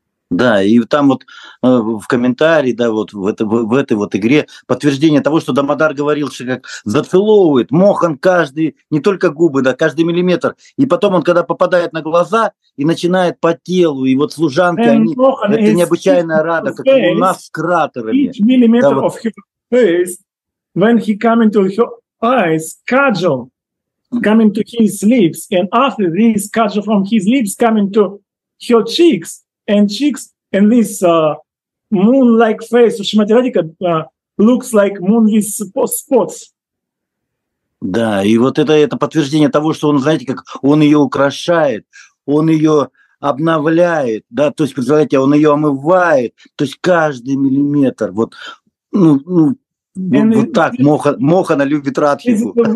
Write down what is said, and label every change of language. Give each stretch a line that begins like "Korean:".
Russian: Да, и там вот в комментарии, да, вот в этой вот игре подтверждение того, что Дамодар говорил, что как зацеловывает Мохан каждый, не только губы, да, каждый миллиметр. И потом он, когда попадает на глаза и начинает по телу, и вот служанки, они, это необычайная рада, как у нас с кратерами.
English: Each millimeter of her face, when he come into her eyes, cudgel coming to his lips, and after this cudgel from his lips coming to her cheeks, and this moon-like face of Шримати Радика looks like moon with spots.
Russian: Да, и вот это подтверждение того, что он, знаете, как он ее украшает, он ее обновляет, да, то есть, представляете, он ее омывает, то есть каждый миллиметр, вот, вот так Мохана любит Радхику.